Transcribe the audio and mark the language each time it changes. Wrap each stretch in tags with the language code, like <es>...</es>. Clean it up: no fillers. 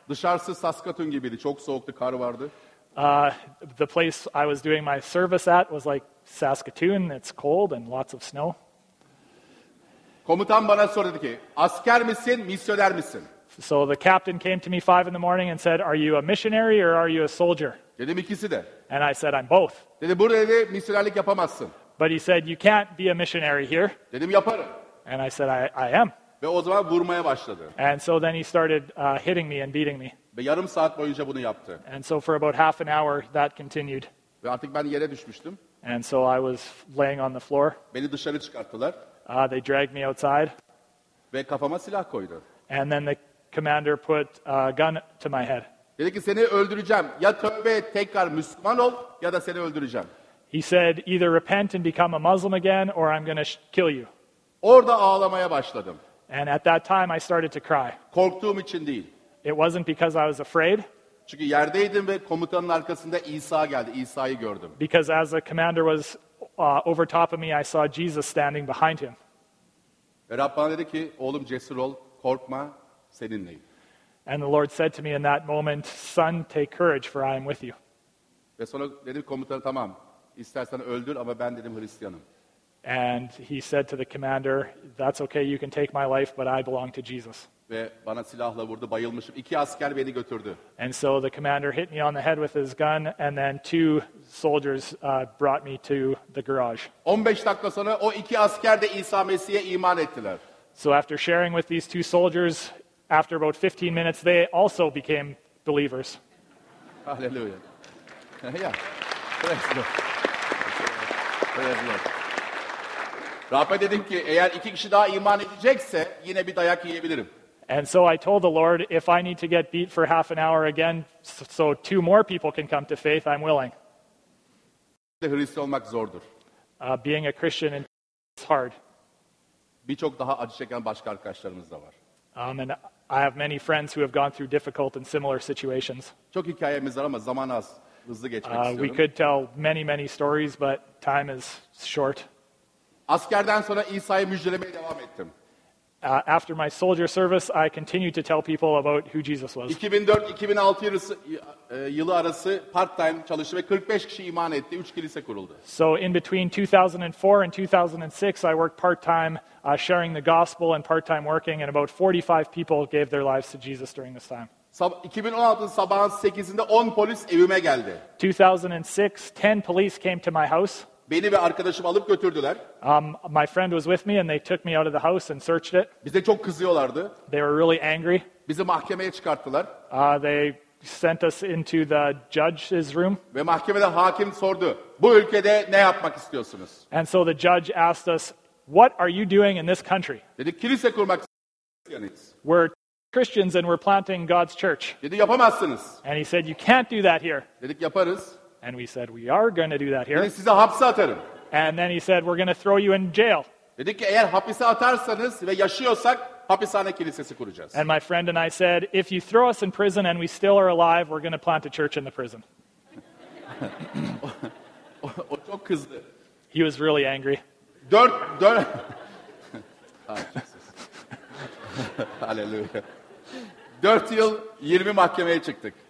<tr>Dışarısı Saskatoon gibiydi, çok soğuktu, kar vardı.</tr> <en>The place I was doing my service at was like Saskatoon, it's cold and lots of snow.</en> <tr>Komutan bana sordu ki, asker misin, misyoner misin?</tr> <en>So the captain came to me 5 in the morning and said, are you a missionary or are you a soldier?</en> <tr>Dedim ikisi de.</tr> <en>And I said, I'm both.</en> <tr>Dedi, burada dedi, misyonerlik yapamazsın.</tr> <en>But he said, you can't be a missionary here.</en> <tr>Dedim, yaparım.</tr> <en>And I said, I am.</en> <tr>Ve o zaman vurmaya başladı.</tr> <en>And so then he started hitting me and beating me.</en> <tr>Ve yarım saat boyunca bunu yaptı.</tr> <en>And so for about half an hour that continued.</en> <tr>Ve artık ben yere düşmüştüm.</tr> <en>And so I was laying on the floor.</en> <tr>Beni dışarı çıkarttılar.</tr> <en>They dragged me outside.</en> <tr>Ve kafama silah koydu.</tr> <en>And then the commander put a gun to my head.</en> <tr>Dedi ki seni öldüreceğim. Ya tövbe et, tekrar Müslüman ol ya da seni öldüreceğim.</tr> <en>He said either repent and become a Muslim again or I'm going to kill you.</en> <tr>Orada ağlamaya başladım.</tr> <en>And at that time I started to cry.</en> <tr>Korktuğum için değil.</tr> <en>It wasn't because I was afraid.</en> <tr>Çünkü yerdeydim ve komutanın arkasında İsa geldi. İsa'yı gördüm.</tr> <en>Because as the commander was over top of me, I saw Jesus standing behind him.</en> <tr>Ve Rab bana dedi ki, oğlum cesur ol, korkma, seninleyim.</tr> <en>And the Lord said to me in that moment, son, take courage, for I am with you.</en> <tr>Ve sonra dedi komutan, tamam, istersen öldür ama ben dedim Hristiyanım.</tr> <en>And he said to the commander, that's okay, you can take my life, but I belong to Jesus.</en> <tr>Ve bana silahla vurdu, bayılmışım. İki asker beni götürdü.</tr> <en>And so the commander hit me on the head with his gun, and then two soldiers brought me to the garage.</en> <tr>15 dakika sonra o iki asker de İsa Mesih'e iman ettiler.</tr> <en>So after sharing with these two soldiers, after about 15 minutes, they also became believers. Hallelujah. Yeah. Praise the Lord. Praise the Lord.</en> <tr>Rab'be dedim ki, eğer iki kişi daha iman edecekse, yine bir dayak yiyebilirim.</tr> <en>And so I told the Lord, if I need to get beat for half an hour again, so two more people can come to faith, I'm willing.</en> <tr>Hristiyan olmak zordur.</tr> <en>Being a Christian is hard.</en> <tr>Birçok daha acı çeken başka arkadaşlarımız da var.</tr> <en>And I have many friends who have gone through difficult and similar situations.</en> <tr>Çok hikayemiz var ama zaman az, hızlı geçmek istiyorum.</tr> <en>We could tell many, many stories, but time is short.</en> <tr>Askerden sonra İsa'yı müjdelemeye devam ettim.</tr> <en>After my soldier service, I continued to tell people about who Jesus was.</en> <tr>2004-2006 yılı arası part-time çalıştım ve 45 kişi iman etti. 3 kilise kuruldu.</tr> <en>So in between 2004 and 2006, I worked part-time sharing the gospel and part-time working, and about 45 people gave their lives to Jesus during this time.</en> <tr>2016 sabahın 8'inde 10 polis evime geldi.</tr> <en>2006, 10 police came to my house.</en> <tr>Beni ve arkadaşımı alıp götürdüler.</tr> <en>My friend was with me and they took me out of the house and searched it.</en> <tr>Bize çok kızıyorlardı.</tr> <en>They were really angry.</en> <tr>Bizi mahkemeye çıkarttılar.</tr> <en>They sent us into the judge's room.</en> <tr>Ve mahkemede hakim sordu. Bu ülkede ne yapmak istiyorsunuz?</tr> <en>And so the judge asked us, "What are you doing in this country?"</en> <tr>Dedi kilise kurmak istiyorsunuz.</tr> <en>We're Christians and we're planting God's church.</en> <tr>Dedi yapamazsınız.</tr> <en>And he said, "You can't do that here."</en> <tr>Dedik yaparız.</tr> <en>And we said, we are going to do that here.</en> <tr>Yani size hapse atarım.</tr> <en>And then he said, we're going to throw you in jail.</en> <tr>Dedik ki, eğer hapise atarsanız ve yaşıyorsak, hapishane kilisesi kuracağız.</tr> <en>And my friend and I said, if you throw us in prison and we still are alive, we're going to plant a church in the prison.</en> <tr>O çok kızdı.</tr> <en>He was really angry.</en> <tr>Dört. Hallelujah. 4 yıl 20 mahkemeye çıktık.</tr>